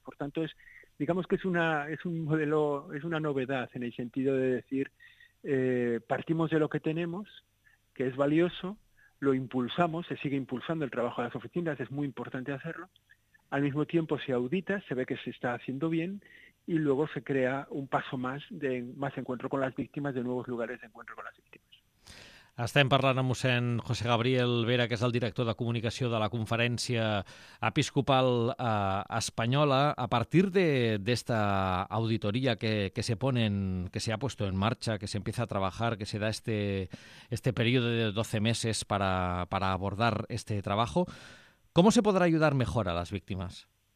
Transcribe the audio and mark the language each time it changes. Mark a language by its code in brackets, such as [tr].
[es] Por tanto, es una novedad en el sentido de decir, partimos de lo que tenemos, que es valioso, lo impulsamos, se sigue impulsando el trabajo de las oficinas, es muy importante hacerlo. Al mismo tiempo se audita, se ve que se está haciendo bien y luego se crea un paso más de más encuentro con las víctimas, de nuevos lugares de encuentro con las víctimas. [ca] Estem parlant amb mossèn José Gabriel Vera, que és el director de comunicació de la Conferència Episcopal Espanyola. [es] A partir d'esta auditoria que se ha puesto en marcha, que se empieza a trabajar, que se da este periodo de 12 meses para abordar este trabajo, ¿cómo se podrá ayudar mejor a las víctimas?